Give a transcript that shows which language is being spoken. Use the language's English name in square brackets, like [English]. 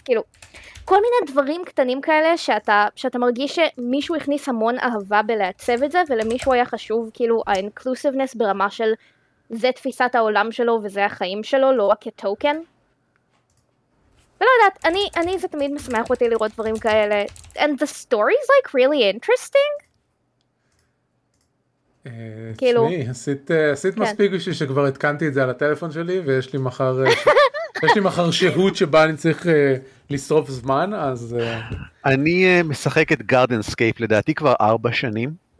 [Hebrew] כאילו, כל מיני דברים קטנים כאלה שאתה מרגיש שמישהו הכניס המון אהבה בלעצב את זה, ולמישהו היה חשוב כאילו האינקלוסיבנס ברמה של זה תפיסת העולם שלו וזה החיים שלו, לא רק כטוקן. ולא יודעת, אני זה תמיד משמח אותי לראות דברים כאלה. [English] And the story's like really interesting. [Hebrew] כאילו, עשית מספיק בשביל שכבר התקנתי את זה על הטלפון שלי, ויש לי מחר יש לי מחר שהות שבה אני צריך לשרוף זמן, אז אני משחק את גארדנסקייפ לדעתי כבר 4 שנים.